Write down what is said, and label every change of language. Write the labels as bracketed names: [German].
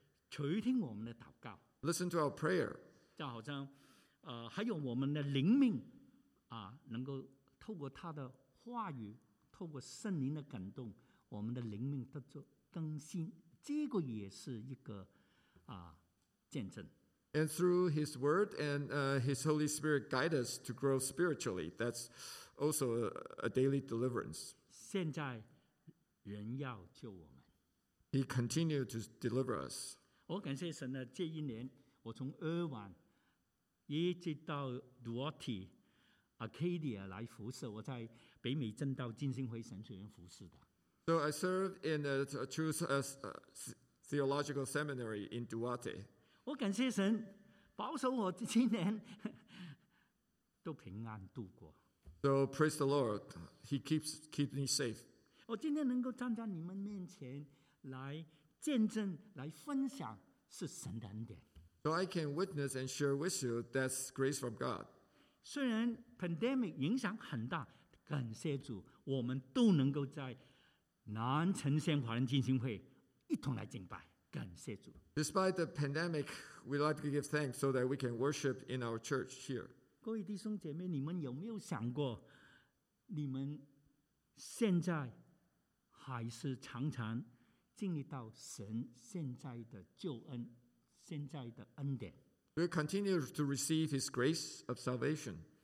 [Chinese] 垂听我们的祷告。 [English] Listen to our prayer. [Chinese] 就好像，还有我们的灵命，能够透过他的话语，透过圣灵的感动，我们的灵命得着更新。这个也是一个，见证。 [English] And through His Word and His Holy Spirit guide us to grow spiritually. That's also a daily deliverance. [Chinese] 现在人要救我们。 [English] He continued to deliver us. [Chinese] 我感谢神呢，这一年我从尔湾一直到 Duarte, Arcadia 来服侍。我在北美正道浸信会神学院服侍的。 [English] So I served in a true theological seminary in Duarte. [Chinese] 我感谢神保守我今年都平安度过。 [English] So praise the Lord, He keeps me safe. [Chinese] 我今天能够站在你们面前来见证、来分享，是神的恩典。 [English] So I can witness and share with you that's grace from God. [Chinese] 虽然 pandemic 影响很大，感谢主，我们都能够在南城先华人进行会一同来敬拜，感谢主。 [English] Despite the pandemic, we'd like to give thanks so that we can worship in our church here. [Chinese] 各位弟兄姐妹，你们有没有想过，你们现在还是常常经历到神现在的救恩，现在的恩典？ [English] We continue to receive His grace of salvation.